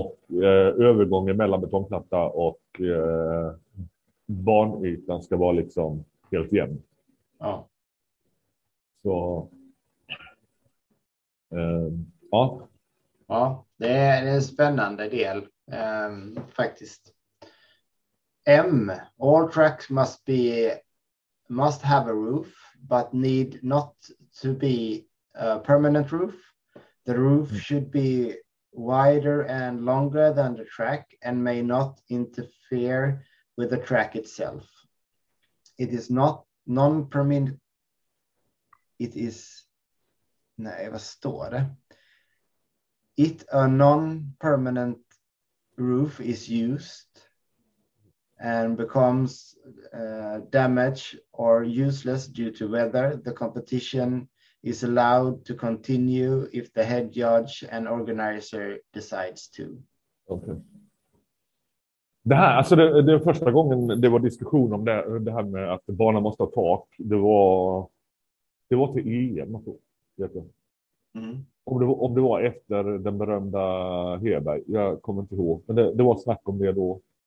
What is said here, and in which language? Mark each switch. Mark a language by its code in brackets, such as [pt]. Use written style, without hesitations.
[sv] Övergången mellan betongplatta och banytan ska vara liksom helt jämn. Ja. Så ja. Ja, det är en spännande del, faktiskt. [en] M, all tracks must have a roof, but need not to be a permanent roof. The roof should be wider and longer than the track and may not interfere with the track itself. It is not non-permanent. [sv] Nej, vad står det? [en] It a non-permanent roof is used and becomes damaged or useless due to weather. The competition is allowed to continue if the head judge and organizer decides to. [sv] Det här, alltså det första gången det var diskussion om det här med att banan måste ha tak, det var till EM, jag tror, vet du. Om det var efter den berömda Heberg, jag kommer inte ihåg, men det var snack om det då.